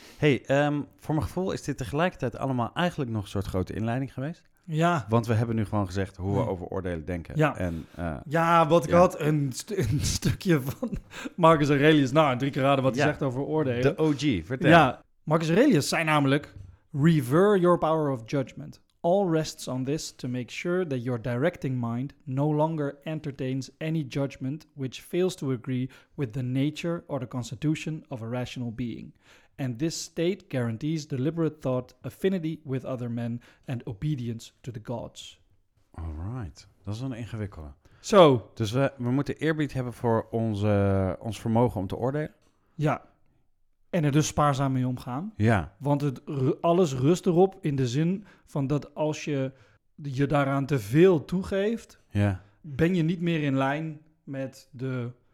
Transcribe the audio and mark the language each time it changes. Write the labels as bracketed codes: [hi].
[nl] Hey, voor mijn gevoel is dit tegelijkertijd allemaal eigenlijk nog een soort grote inleiding geweest. Ja. Want we hebben nu gewoon gezegd hoe we over oordelen denken. Ja, want ik had een stukje van Marcus Aurelius. Nou, 3 keer raden wat hij zegt over oordelen. De OG, vertel. Ja, Marcus Aurelius zei namelijk... [en] Rever your power of judgment. All rests on this to make sure that your directing mind no longer entertains any judgment which fails to agree with the nature or the constitution of a rational being. And this state guarantees deliberate thought, affinity with other men, and obedience to the gods. All right. [nl] Dat is een ingewikkelde. Zo. So, dus we moeten eerbied hebben voor ons vermogen om te oordelen. Ja. En er dus spaarzaam mee omgaan. Ja. Want alles rust erop in de zin van dat als je je daaraan te veel toegeeft, ben je niet meer in lijn met de...